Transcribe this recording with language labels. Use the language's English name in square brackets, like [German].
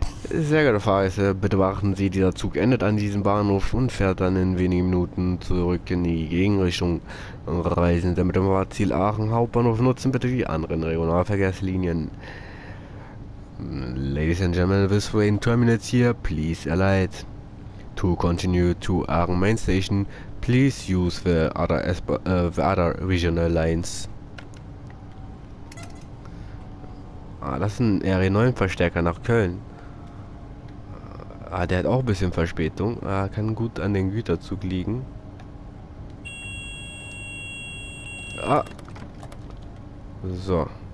[German] Sehr geehrte Fahrgäste, bitte warten Sie, dieser Zug endet an diesem Bahnhof und fährt dann in wenigen Minuten zurück in die Gegenrichtung. Reisende mit dem Fahrziel Aachen Hauptbahnhof nutzen bitte die anderen Regionalverkehrslinien. [English] Ladies and Gentlemen, this train terminates here, please alight. To continue to Aachen Main Station, please use the other regional lines. [German] Ah, das ist ein RE9-Verstärker nach Köln. Ah, der hat auch ein bisschen Verspätung. Ah, kann gut an den Güterzug liegen. Ah. So.